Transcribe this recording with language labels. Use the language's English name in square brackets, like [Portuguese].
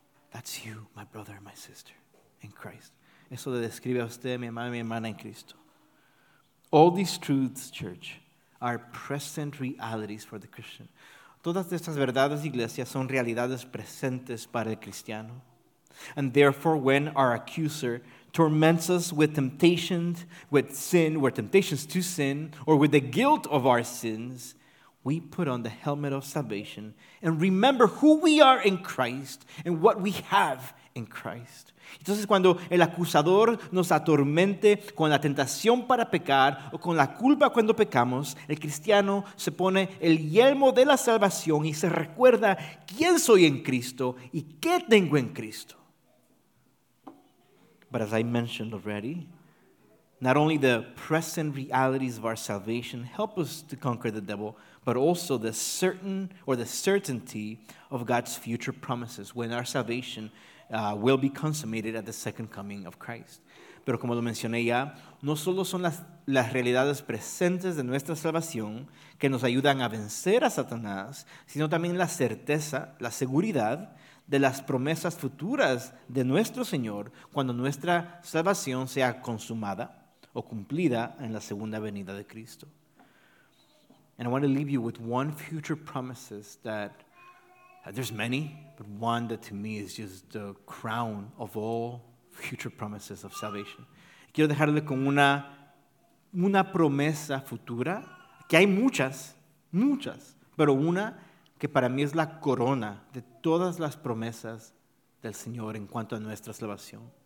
[English] That's you, my brother and my sister, in Christ. [Spanish] Eso le describe a usted, mi hermano y mi hermana en Cristo. [English] All these truths, church, are present realities for the Christian. [Spanish] Todas estas verdades, iglesia, son realidades presentes para el cristiano. [English] And therefore, when our accuser torments us with temptations, with sin, or temptations to sin, or with the guilt of our sins, we put on the helmet of salvation and remember who we are in Christ and what we have in Christ. [Spanish] Entonces, cuando el acusador nos atormente con la tentación para pecar o con la culpa cuando pecamos, el cristiano se pone el yelmo de la salvación y se recuerda quién soy en Cristo y qué tengo en Cristo. [English] But as I mentioned already, not only the present realities of our salvation help us to conquer the devil, but also the certainty of God's future promises when our salvation will be consummated at the second coming of Christ. [Spanish] Pero como lo mencioné ya, no solo son las realidades presentes de nuestra salvación que nos ayudan a vencer a Satanás, sino también la certeza, la seguridad de las promesas futuras de nuestro Señor cuando nuestra salvación sea consumada o cumplida en la segunda venida de Cristo. [English] And I want to leave you with one future promises that there's many, but one that to me is just the crown of all future promises of salvation. [Spanish] Quiero dejarle con una promesa futura, que hay muchas, muchas, pero una que para mí es la corona de todas las promesas del Señor en cuanto a nuestra salvación.